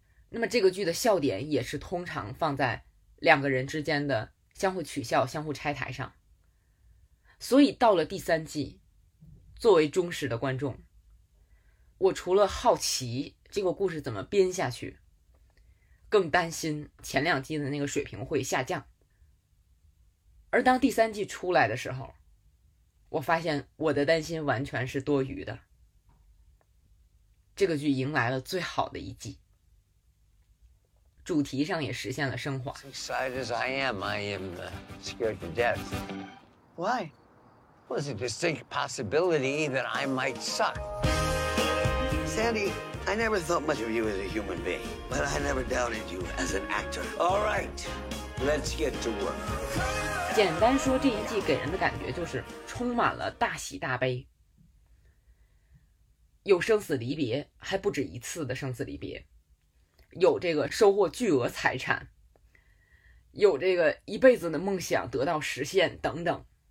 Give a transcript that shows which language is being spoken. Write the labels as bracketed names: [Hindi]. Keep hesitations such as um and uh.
[Chinese] 那么这个剧的笑点也是通常放在。两个人之间的相互取笑、相互拆台上，所以到了第三季，作为忠实的观众，我除了好奇这个故事怎么编下去，更担心前两季的那个水平会下降。而当第三季出来的时候，我发现我的担心完全是多余的。这个剧迎来了最好的一季。主题上也实现了升华。 [English] Excited as I am, I am scared to death. Why? Was a distinct possibility that I might suck. Sandy, I never thought much of you as a human being, but I never doubted you as an actor. All right, let's get to work. [Chinese] 简单说，这一季给人的感觉就是充满了大喜大悲，有生死离别，还不止一次的生死离别。有这个收获巨额财产，有这个一辈子的梦想得到实现等等。